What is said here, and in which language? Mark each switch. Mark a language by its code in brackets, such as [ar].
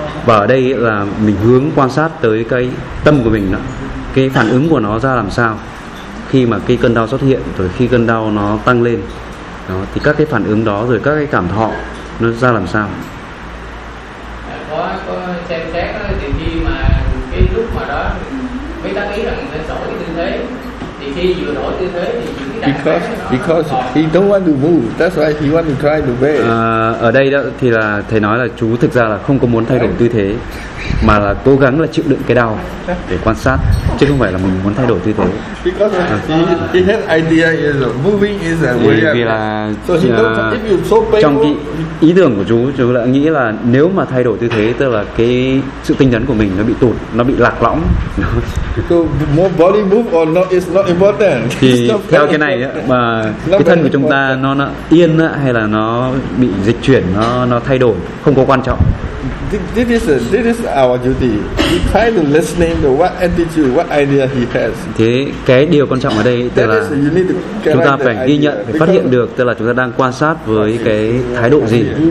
[vi] Và ở đây là mình hướng quan sát tới cái tâm của mình đó, cái phản ứng của nó ra làm sao khi mà cái cơn đau xuất hiện, rồi khi cơn đau nó tăng lên. Đó, thì các cái phản ứng đó rồi các cái cảm thọ nó ra làm sao? Có xem xét đó, thì khi mà cái lúc mà đó mới tác ý rằng nên đổi tư thế, thì khi vừa đổi tư thế thì [en] because he don't want to move, that's why he want to try to bend. [vi] Ở đây đó thì là thầy nói là chú thực ra là không có muốn thay đổi tư thế mà là cố gắng là chịu đựng cái đau để quan sát, chứ không phải là mình muốn thay đổi tư thế. [en] He has idea is moving is a way. [vi] Vì là [en] so painful, [vi] trong cái ý tưởng của chú lại nghĩ là nếu mà thay đổi tư thế tức là cái sự tinh tấn của mình nó bị tụt, nó bị lạc lõng. [en] So more body move or not is not important. [vi] Thì theo cái này mà cái thân của chúng ta nó yên hay là nó bị dịch chuyển, nó thay đổi không có quan trọng. [en] This is our duty. We try to listen to what attitude, what idea he has. [vi] Thế cái điều quan trọng ở đây tức là chúng ta phải ghi nhận, phải phát hiện được tức là chúng ta đang quan sát với cái thái độ gì.